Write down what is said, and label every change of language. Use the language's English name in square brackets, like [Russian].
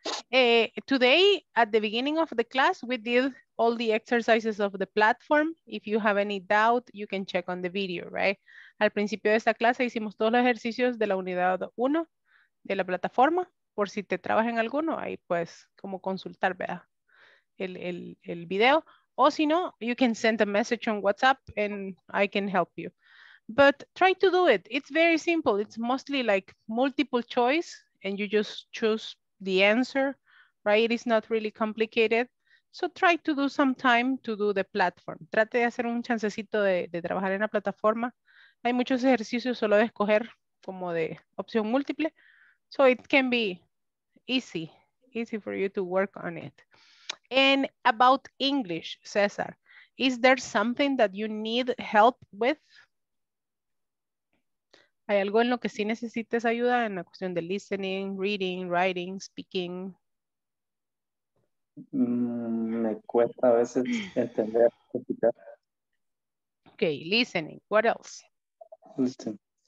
[English] Today, at the beginning of the class, we did all the exercises of the platform. If you have any doubt, you can check on the video, right? [Spanish] Al principio de esta clase hicimos todos los ejercicios de la unidad 1 de la plataforma. Por si te trabas en alguno, ahí puedes como consultar, ¿verdad? El video. O si no, [English] you can send a message on WhatsApp and I can help you. But try to do it. It's very simple. It's mostly like multiple choice and you just choose the answer, right? It is not really complicated. So try to do some time to do the platform. [Spanish] Trate de hacer un chancecito de trabajar en la plataforma. Hay muchos ejercicios solo de escoger como de opción múltiple. [English] So it can be easy for you to work on it. And about English, Cesar, is there something that you need help with? [Spanish] ¿Hay algo en lo que sí necesites ayuda en la cuestión de listening, reading, writing, speaking? Me cuesta a veces entender. [English] Okay, listening. What else? Listening.